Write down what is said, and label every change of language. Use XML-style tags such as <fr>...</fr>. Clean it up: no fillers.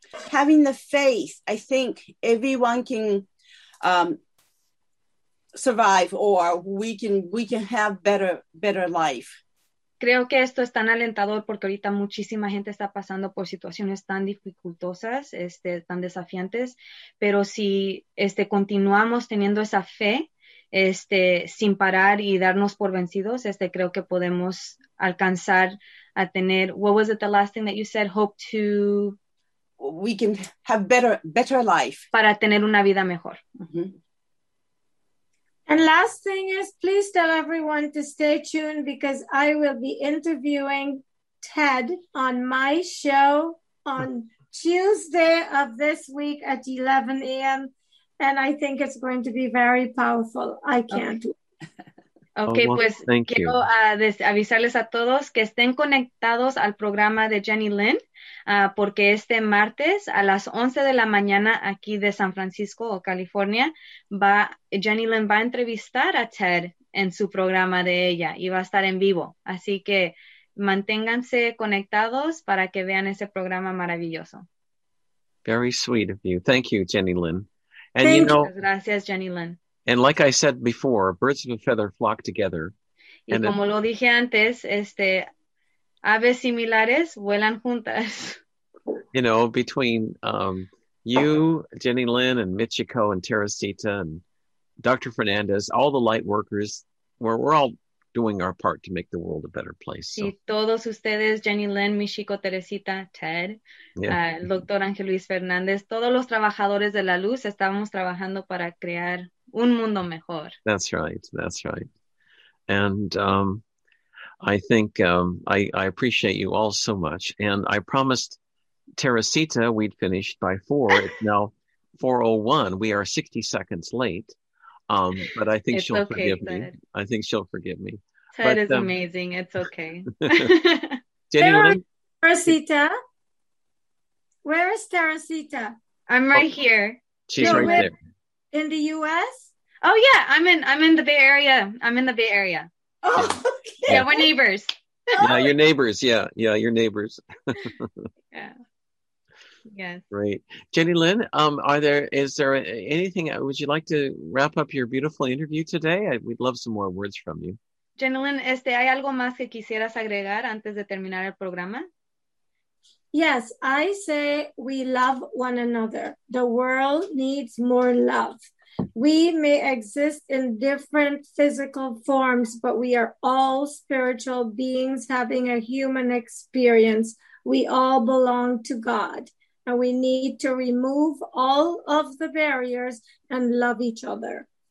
<en>Having the faith, I think everyone can survive, or we can have better life.</en> <es>Creo que esto es tan alentador porque ahorita muchísima gente está pasando por situaciones tan dificultosas, tan desafiantes. Pero si continuamos teniendo esa fe, sin parar y darnos por vencidos, creo que podemos alcanzar a tener.</es> <en>What was it, the last thing that you said? Hope to. We can have better life.</en> <es>Para tener una vida mejor. Mm-hmm.</es> <en>And last thing is, please tell everyone to stay tuned because I will be interviewing Ted on my show on Tuesday of this week at 11 a.m. And I think it's going to be very powerful. I can't. Okay.</en> <es>Okay, pues quiero avisarles a todos que estén conectados al programa de Jenny Lynn, porque este martes a las 11 de la mañana aquí de San Francisco o California, Jenny Lynn va a entrevistar a Ted en su programa de ella y va a estar en vivo. Así que manténganse conectados para que vean ese programa maravilloso.</es> <en>Very sweet of you. Thank you, Jenny Lynn. And thank you.</en> <es>Gracias,</es> <en>Jenny Lynn. And like I said before, birds of a feather flock together.</en> <es>Y</es> <en>and</en> <es>como lo dije antes, aves similares vuelan juntas.</es> <en>You know, between you, Jenny Lynn, and Michiko, and Teresita, and Dr. Fernandez, all the light workers, we're all doing our part to make the world a better place.</en> <es>Y todos ustedes, Jenny Lynn, Michiko, Teresita, Ted, el Dr. Ángel Luis Fernández, todos los trabajadores de la luz, estamos trabajando para crear un mundo mejor.</es> <en>That's right. That's right. And I think I appreciate you all so much. And I promised Teresita we'd finish by 4. It's now 4:01. We are 60 seconds late. But I think she'll forgive me. I think she'll forgive me. Ted is amazing. It's okay. Teresita? Where is Teresita? I'm right here. She's so right there. In the U.S.? Oh yeah, I'm in the Bay Area. I'm in the Bay Area. Oh, okay. Yeah, we're neighbors. Yeah, your neighbors. Yeah, your neighbors. Yeah. Great, Jenny Lynn. Is there anything? Would you like to wrap up your beautiful interview today? We'd love some more words from you.</en> <es>Jenny Lynn, ¿hay algo más que quisieras agregar antes de terminar el programa?</es> <en>Yes, I say we love one another. The world needs more love. We may exist in different physical forms, but we are all spiritual beings having a human experience. We all belong to God, and we need to remove all of the barriers and love each other.</en>